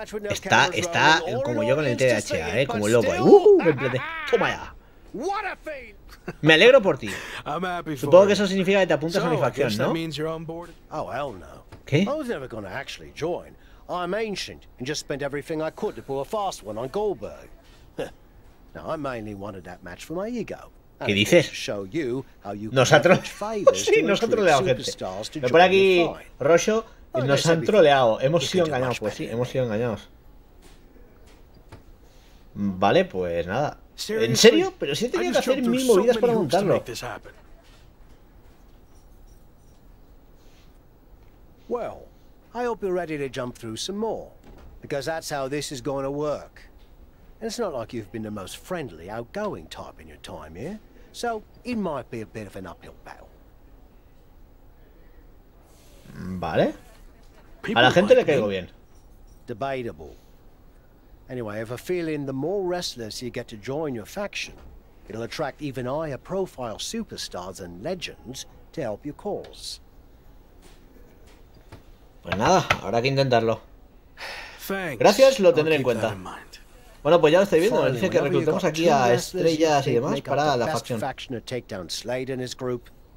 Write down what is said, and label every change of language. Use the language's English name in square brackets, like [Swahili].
[Spanish] Está como yo con el TDAH, como loco. Toma ya. Me alegro por ti. Supongo que eso significa que te apuntas a mi facción, ¿no? [English] Oh, hell no. [Spanish] ¿Qué? [English] I was never gonna actually join. I'm ancient and just spent everything I could to pull a fast one on Goldberg. Now I mainly wanted that match for my ego. [Spanish] ¿Qué dices? Nosotros. Sí, nos han troleado, gente. Por aquí, Rosho, nos han troleado. Hemos sido engañados, pues sí, hemos sido engañados. Vale, pues nada. ¿En serio? Pero sí tenía que hacer mil movidas para montarlo. [English] Well, I hope you're ready to jump through some more, because that's how this is going to work. And it's not like you've been the most friendly, outgoing type in your time here, so it might be a bit of an uphill battle. [Spanish] Vale. A la gente le caigo bien. [English] Debatable. Anyway, I have a feeling the more wrestlers you get to join your faction, it'll attract even higher profile superstars and legends to help your cause. [Spanish] Pues nada, habrá que intentarlo. Gracias, lo tendré en cuenta. Bueno, pues ya lo estoy viendo. Me dice que reclutemos aquí a estrellas y demás para la facción. [English] Faction to take down Slade and his group.